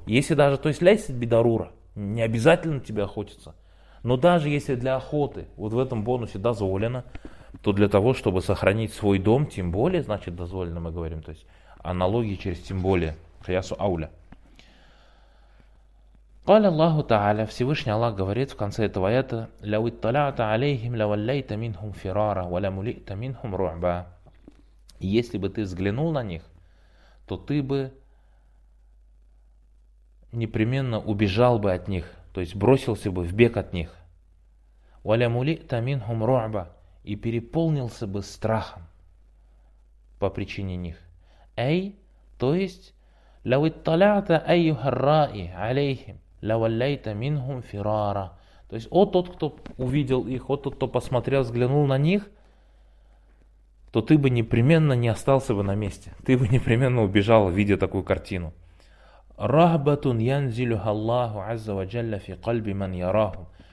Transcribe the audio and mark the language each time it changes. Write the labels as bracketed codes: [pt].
[ru] Если даже, то есть [ar] ляйсит бидарура, [ru] не обязательно тебе охотиться. Но даже если для охоты, вот в этом бонусе дозволено, то для того, чтобы сохранить свой дом, тем более, значит, дозволено, мы говорим. То есть аналогии через тем более, [ar] хаясу ауля. قال الله تعالى [ru] Всевышний Аллах говорит в конце этого аята: [ar] لو اطلعت عليهم لوليت منهم فرارا ولملئت منهم رعبا. [ru] Если бы ты взглянул на них, то ты бы непременно убежал бы от них, то есть бросился бы в бег от них. [ar] ولملئت منهم رعبا [ru] и переполнился бы страхом по причине них. Эй, то есть [ar] لو اطلعت أيها الرائي عليهم لَوَلَّيْتَ مِنْهُمْ فِرَارًا. [ru] То есть, о тот, кто увидел их, о тот, кто посмотрел, взглянул на них, то ты бы непременно не остался бы на месте. Ты бы непременно убежал, видя такую картину. [ar] رَهْبَةٌ يَنْزِلُهَ اللَّهُ عَزَّ وَجَلَّ فِي قَلْبِ مَنْ يَرَاهُمْ.